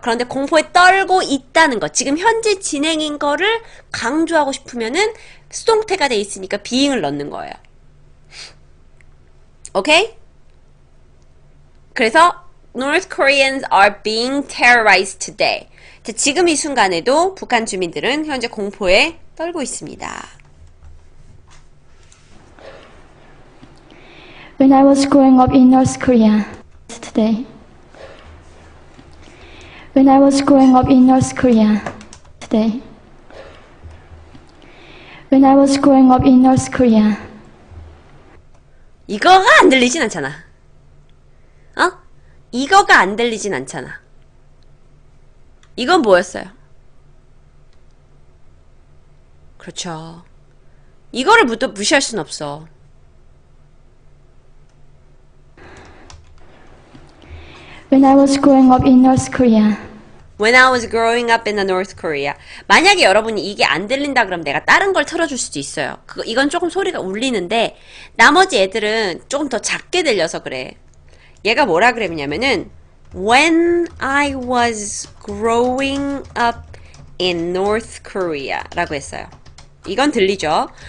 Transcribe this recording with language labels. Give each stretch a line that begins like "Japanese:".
Korean: 그런데 공포에 떨고 있다는 것, 지금 현재 진행인 거를 강조하고 싶으면은 수동태가 돼 있으니까 being을 넣는 거예요. 오케이? 그래서
English: North Koreans are being terrorized today.
Korean: 지금 이 순간에도 북한 주민들은 현재 공포에 떨고 있습니다.
English: When I was growing up in North Korea, today. When I was growing up in North Korea, today. When I was growing up in North Korea.
Korean: 이거가 안 들리진 않잖아. 이거가 안 들리진 않잖아. 이건 뭐였어요? 그렇죠. 이거를 무시할 순 없어.
English: 'When I was growing up in the North Korea.'
Korean: 만약에 여러분이 이게 안 들린다 그럼 내가 다른 걸 틀어줄 수도 있어요. 이건 조금 소리가 울리는데 나머지 애들은 조금 더 작게 들려서 그래. 얘가 뭐라 그랬냐면은
English: 'When I was growing up in North Korea'라고
Korean: 했어요. 이건 들리죠?